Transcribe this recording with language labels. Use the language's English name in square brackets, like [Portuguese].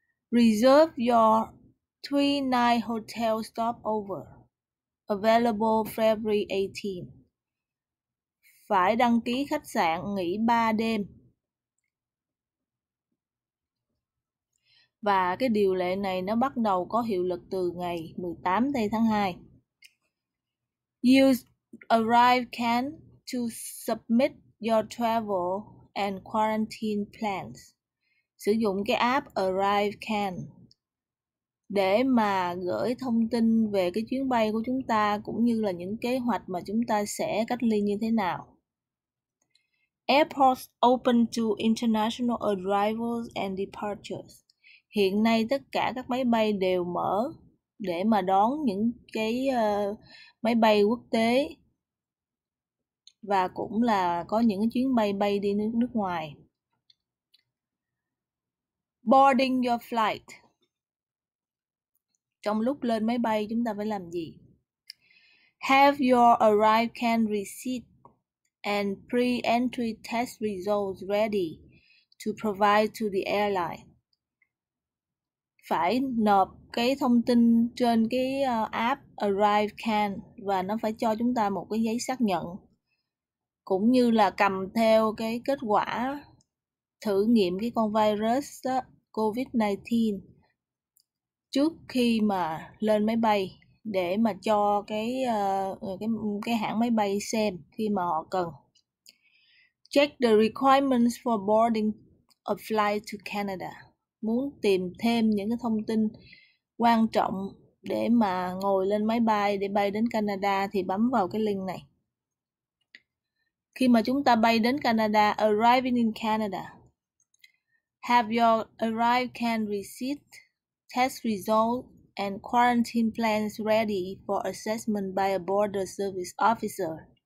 [English] Reserve your 3-night hotel stopover available February 18. [Vietnamese] Phải đăng ký khách sạn nghỉ 3 đêm. Và cái điều lệ này nó bắt đầu có hiệu lực từ ngày 18 tháng 2. [English] Use arrive can to submit your travel and quarantine plans. [Vietnamese] Sử dụng cái app arrive can để mà gửi thông tin về cái chuyến bay của chúng ta cũng như là những kế hoạch mà chúng ta sẽ cách ly như thế nào. [English] Airports open to international arrivals and departures. [Vietnamese] Hiện nay tất cả các máy bay đều mở để mà đón những cái máy bay quốc tế và cũng là có những chuyến bay bay đi nước ngoài. [English] Boarding your flight. [Vietnamese] Trong lúc lên máy bay chúng ta phải làm gì? [English] Have your arrive can receipt and pre-entry test results ready to provide to the airline. [Vietnamese] Phải nộp cái thông tin trên cái app arrive can và nó phải cho chúng ta một cái giấy xác nhận cũng như là cầm theo cái kết quả thử nghiệm cái con virus đó, COVID-19 trước khi mà lên máy bay để mà cho cái hãng máy bay xem khi mà họ cần. [English] Check the requirements for boarding a flight to Canada. [Vietnamese] Muốn tìm thêm những cái thông tin quan trọng để mà ngồi lên máy bay để bay đến Canada thì bấm vào cái link này. Khi mà chúng ta bay đến Canada, [English] arriving in Canada, have your arrive can receipt, test result and quarantine plans ready for assessment by a border service officer.